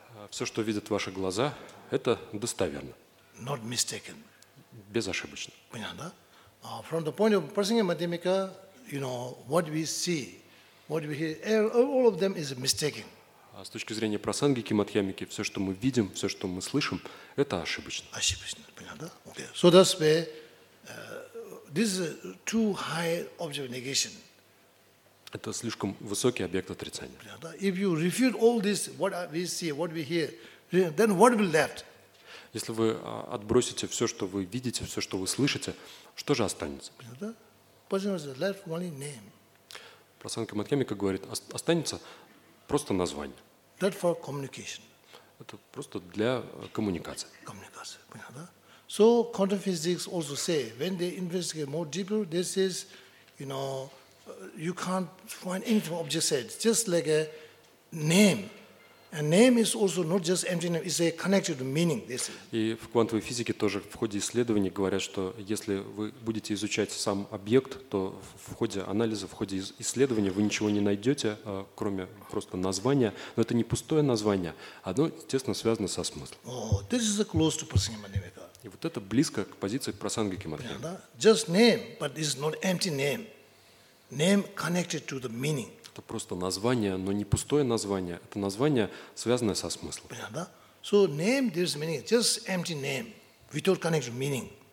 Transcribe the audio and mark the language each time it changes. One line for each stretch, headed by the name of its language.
Russian: Все, что видят ваши глаза, это достоверно.
English: Not mistaken.
Russian: Безошибочно. Понятно?
English: From the point of Prasanga Madhyamika, you know, what we see, what we hear, all of them is mistaken.
Russian: С точки зрения Прасангики Мадхьямики, все, что мы видим, все, что мы слышим, это ошибочно. Ошибочно, понятно? Okay.
English: So that's where this is too high object negation.
Russian: Это слишком высокий объект отрицания.
English: If you refute all this, what we see, what we hear, then what will left?
Russian: Если вы отбросите все, что вы видите, все, что вы слышите, что же останется? Останется
English: left only name.
Russian: Прасанга Мадхьямика говорит, останется просто название.
English: That for communication.
Russian: Это просто для коммуникации. Коммуникация, понятно?
English: So quantum physics also say when they investigate more deeper, they says, you know, you can't find anything object said, just like a name. A name is also not just empty name; it's a connected meaning. They say.
Russian: И в квантовой физике тоже в ходе исследований говорят, что если вы будете изучать сам объект, то в ходе анализа, в ходе исследования вы ничего не найдете, кроме просто названия. Но это не пустое название, оно тесно связано со смыслом.
English: Oh, this is a close to Prasanga Madhyamika.
Russian: И вот это близко к позиции Прасангики Мадхьямики.
English: Just name, but it's not empty name. Name connected to the meaning.
Russian: Это просто название, но не пустое название. Это название, связанное со смыслом. Понятно?
English: So name, there's meaning. Just empty name, without connected meaning.